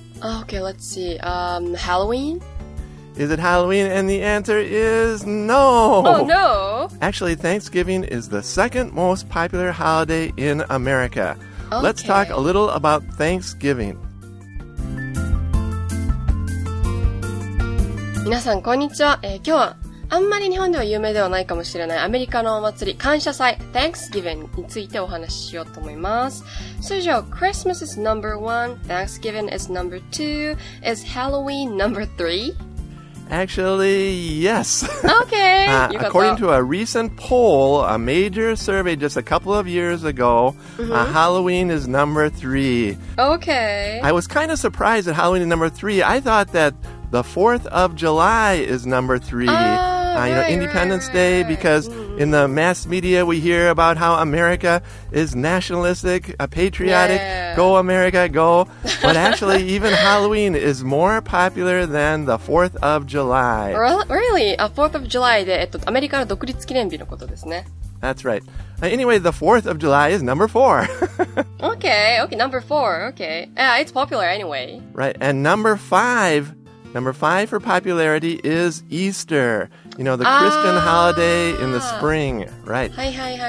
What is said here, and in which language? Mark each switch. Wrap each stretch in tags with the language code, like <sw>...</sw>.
<en>Okay, let's see. Halloween? Is it Halloween? And the answer is no. Oh, no. Actually, Thanksgiving is the second most popular holiday in America. Okay. Let's talk a little about Thanksgiving.</en> <ja>皆さんこんにちは、今日はあんまり日本では有名ではないかもしれないアメリカのお祭り感謝祭 Thanksgiving についてお話ししようと思います。通常</ja> <en>Christmas is number one, Thanksgiving is number two, is Halloween number three? Actually, yes. Okay. According to a recent poll, a major survey just a couple of years ago, Halloween is number three. Okay. I was kind of surprised that Halloween is number three. I thought thatThe 4th of July is number three. Independence Day. Because in the mass media we hear about how America is nationalistic, patriotic. Yeah. Go America, go. But actually, even Halloween is more popular than the 4th of July. Really?</en> <ja>4th of July で、アメリカの独立記念日のことですね。</ja> <en>That's right. Anyway, the 4th of July is number four. okay, number four, okay. Yeah, it's popular anyway. Right, and number five for popularity is Easter. You know, the Christian holiday in the spring, right? Hi, hi, hi,</en>